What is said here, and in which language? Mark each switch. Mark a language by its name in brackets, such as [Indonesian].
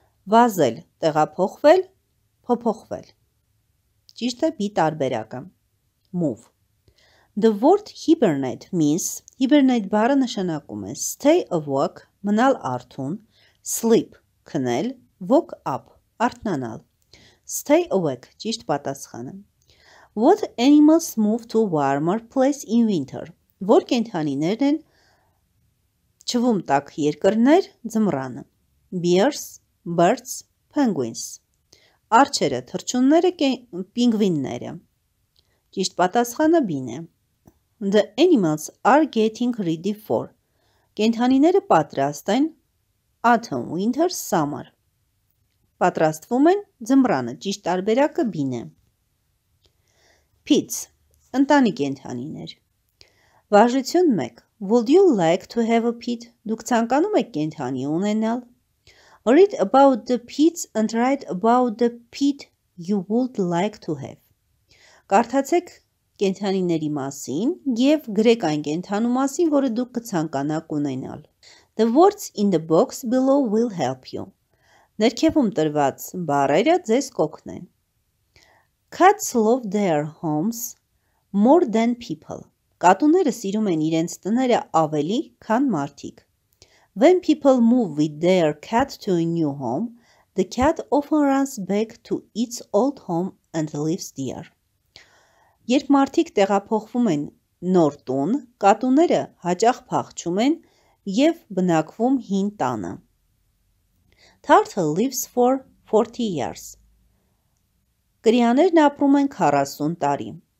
[Armenian] Վազել, տեղափոխվել, փոփոխվել։ Ճիշտ է B տարբերակը։ [English] Move. The word hibernate means. [Armenian] Hibernate բառը նշանակում է [English] stay awake, [Armenian] մնալ արթուն, sleep, քնել, [English] woke up, [Armenian] արթնանալ։ [English] Stay awake, [Armenian] ճիշտ պատասխանը։ [English] What animals move to warmer place in winter? [Armenian] Որ կենդանիներն են ճվում տաք երկրներ ձմռանը։ [English] Bears, birds, penguins. [Armenian] Արջերը, թռչունները, պինգվինները։ Ճիշտ պատասխանը B-ն է։ [English] The animals are getting ready for. [Armenian] Կենդանիները պատրաստ են [English] autumn, winter, summer. [Armenian] Պատրաստվում են ձմռանը, ճիշտ տարբերակը B-ն է։ [English] Pets. [Armenian] Ընտանի կենդանիներ։ Վարժություն 1. [English] Would you like to have a pet? [Armenian] Դուք ցանկանում եք կենդանի ունենալ։ [English] Read about the pets and write about the pet you would like to have. [Armenian] Կարդացեք կենդանիների մասին և գրեք այն կենդանու մասին, որը դուք կցանկանաք ունենալ։ [English] The words in the box below will help you. [Armenian] Ներքևում տրված բառերը ձեզ կօգնեն։ [English] Cats love their homes more than people. [Armenian] Կատուները սիրում են իրենց տները ավելի, քան մարդիկ։ [English] When people move with their cat to a new home, the cat often runs back to its old home and lives there. [Armenian] Երբ մարդիկ տեղափոխվում են նոր տուն, կատուները հաճախ փախչում են և բնակվում հին տանը։ [English] Turtle lives for 40 years. [Armenian] Կրիաներն ապրում են 40 տարի։